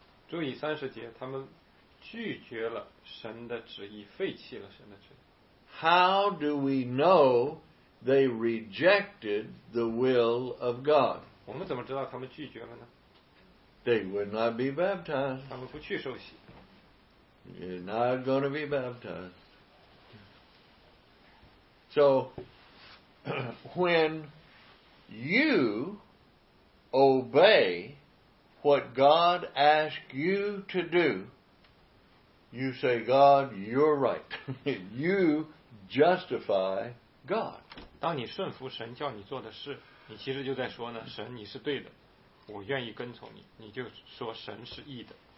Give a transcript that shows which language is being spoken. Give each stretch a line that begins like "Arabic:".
Chinese: 注意三十节，他们拒绝了神的旨意，废弃了神的旨意。
English: How do we know they rejected the will of God?
Chinese: 我们怎么知道他们拒绝了呢？
English: They would not be baptized.
Chinese: 他们不去受洗。
English: You're not going to be baptized. So, when you obey what God asks you to do, you say, God, you're right. You justify God.
Chinese: 当你顺服神叫你做的事，你其实就在说呢，神你是对的，我愿意跟从你，你就说神是义的。